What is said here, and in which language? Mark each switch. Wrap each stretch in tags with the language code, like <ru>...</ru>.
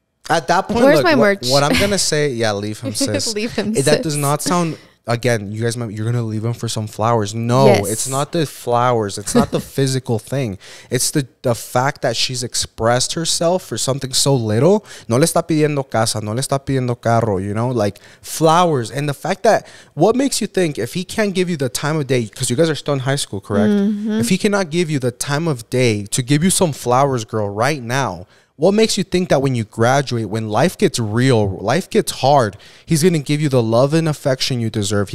<en>at that point, where's look, my merch? What I'm going to say, yeah, leave him, sis. Leave him, sis. That does not sound, again, you guys might, you're going to leave him for some flowers. No, yes. It's not the flowers. It's not the physical thing. It's the fact that she's expressed herself for something so little.</en> <es>No le está pidiendo casa. No le está pidiendo carro.</es> <en>You know, like flowers. And the fact that, what makes you think if he can't give you the time of day, because you guys are still in high school, correct? Mm-hmm. If he cannot give you the time of day to give you some flowers, girl, right now, what makes you think that when you graduate, when life gets real, life gets hard, he's going to give you the love and affection you deserve.</en>